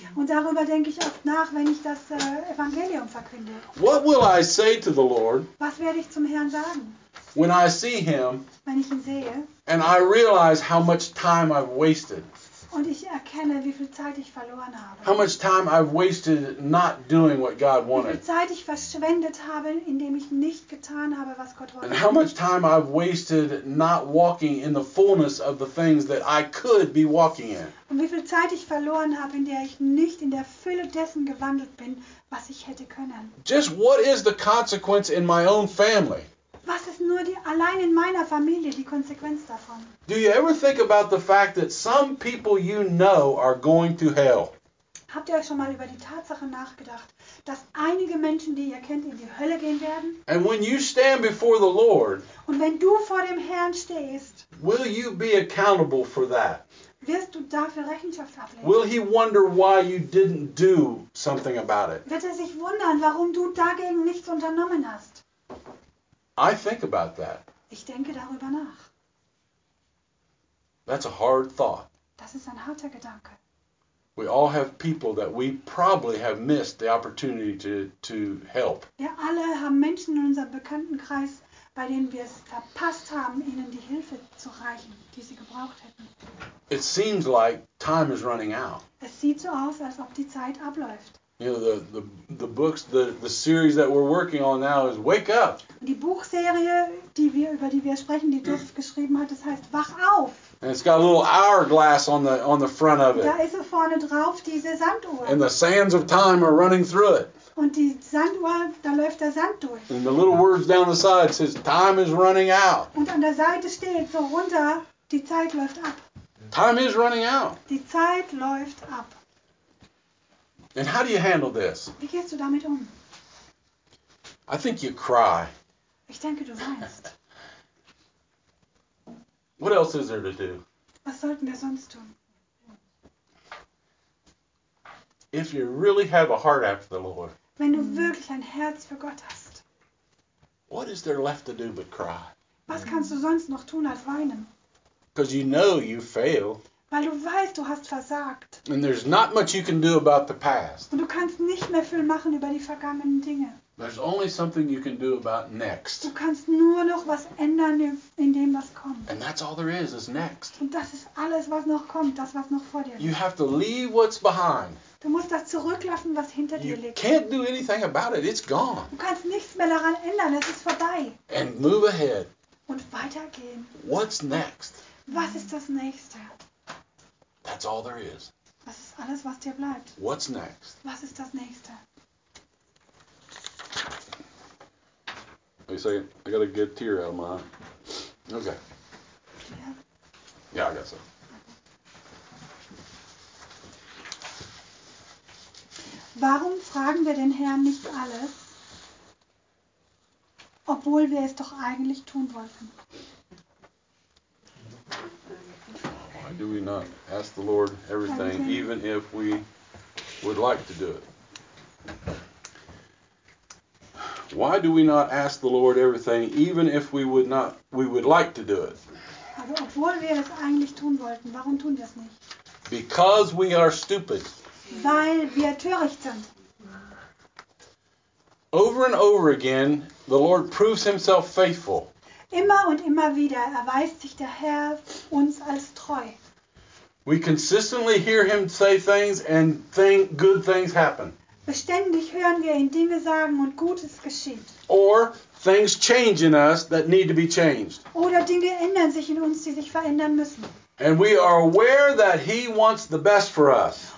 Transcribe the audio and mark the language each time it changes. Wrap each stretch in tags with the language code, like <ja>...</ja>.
<de>Und darüber denke ich oft nach, wenn ich das Evangelium verkünde.</de> <en>What will I say to the Lord?</en> <de>Was werde ich zum Herrn sagen?</de> <en>When I see him,</en> <de>wenn ich ihn sehe,</de> <en>and I realize how much time I've wasted,</en> <de>Und ich erkenne, wie viel Zeit ich verloren habe.</de> <en>How much time I've wasted not doing what God wanted.</en> <de>Wie viel Zeit ich verschwendet habe, indem ich nicht getan habe, was Gott wollte.</de> <en>And how much time I've wasted not walking in the fullness of the things that I could be walking in.</en> <de>Und wie viel Zeit ich verloren habe, in der ich nicht in der Fülle dessen gewandelt bin, was ich hätte können.</de> <en>Just what is the consequence in my own family?</en> <de>Was ist nur die, allein in meiner Familie die Konsequenz davon?</de> <en>Do you ever think about the fact that some people you know are going to hell?</en> <de>Habt ihr euch schon mal über die Tatsache nachgedacht, dass einige Menschen, die ihr kennt, in die Hölle gehen werden?</de> <en>And when you stand before the Lord,</en> <de>und wenn du vor dem Herrn stehst,</de> <en>will you be accountable for that?</en> <de>Wirst du dafür Rechenschaft ablegen?</de> <en>Will he wonder why you didn't do something about it?</en> <de>Wird er sich wundern, warum du dagegen nichts unternommen hast?</de> <en>I think about that.</en> <de>Ich denke darüber nach.</de> <en>That's a hard thought.</en> <de>Das ist ein harter Gedanke.</de> <en>We all have people that we probably have missed the opportunity to help.</en> <de>Wir alle haben Menschen in unserem Bekanntenkreis, bei denen wir es verpasst haben, ihnen die Hilfe zu reichen, die sie gebraucht hätten.</de> <en>It seems like time is running out.</en> <de>Es sieht so aus, als ob die Zeit abläuft.</de> <en>You know, the books, the series that we're working on now is Wake Up.</en> <de>Die Buchserie, die wir, über die wir sprechen, die Duff geschrieben hat, das heißt Wach auf.</de> <en>And it's got a little hourglass on the front of it.</en> <de>Da ist vorne drauf diese Sanduhr.</de> <en>And the sands of time are running through it.</en> <de>Und die Sanduhr, da läuft der Sand durch.</de> <en>And the little words down the side says time is running out.</en> <de>Und an der Seite steht so runter, die Zeit läuft ab.</de> <en>Time is running out.</en> <de>Die Zeit läuft ab.</de> <en>And how do you handle this?</en> <de>Wie gehst du damit um?</de> <en>I think you cry.</en> <de>Ich denke, du weinst.</de> <en>What else is there to do?</en> <de>Was sollten wir sonst tun?</de> <en>If you really have a heart after the Lord.</en> <de>Wenn du wirklich ein Herz für Gott hast.</de> <en>What is there left to do but cry?</en> <de>Was kannst du sonst noch tun als weinen?</de> <en>Because you know you fail.</en> <de>Weil du weißt, du hast versagt.</de> <en>And there's not much you can do about the past.</en> <de>Und du kannst nicht mehr viel machen über die vergangenen Dinge.</de> <en>There's only something you can do about next.</en> <de>Du kannst nur noch was ändern in dem, was kommt.</de> <en>And that's all there is next.</en> <de>Und das ist alles, was noch kommt, das, was noch vor dir liegt.</de> <en>You have to leave what's behind.</en> <de>Du musst das zurücklassen, was hinter</de> <en>you</en> <de>dir liegt.</de> <en>You can't do anything about it. It's gone.</en> <de>Du kannst nichts mehr daran ändern. Es ist vorbei.</de> <en>And move ahead.</en> <de>Und weitergehen.</de> <en>What's next?</en> <de>Was ist das Nächste?</de> <en>That's all there is.</en> <de>Das ist alles, was dir bleibt.</de> <en>What's next?</en> <de>Was ist das Nächste?</de> <en>Wait a second. I got a good tear out of my eye. Okay. Yeah, I guess so.</en> <de>Warum fragen wir den Herrn nicht alles, obwohl wir es doch eigentlich tun wollten?</de> <en>Why do we not ask the Lord everything, even if we would like to do it? Why do we not ask the Lord everything, even if we would like to do it?</en> <de>Also, obwohl wir es eigentlich tun wollten, warum tun wir es nicht?</de> <en>Because we are stupid.</en> <de>Weil wir töricht sind.</de> <en>Over and over again, the Lord proves himself faithful.</en> <de>Immer und immer wieder erweist sich der Herr uns als treu.</de> <en>We consistently hear him say things and think good things happen.</en> <de>Beständig hören wir ihn Dinge sagen und Gutes geschieht.</de> <en>Or things change in us that need to be changed.</en> <de>Oder Dinge ändern sich in uns, die sich verändern müssen.</de> <en>And we are aware that he wants the best for us.</en>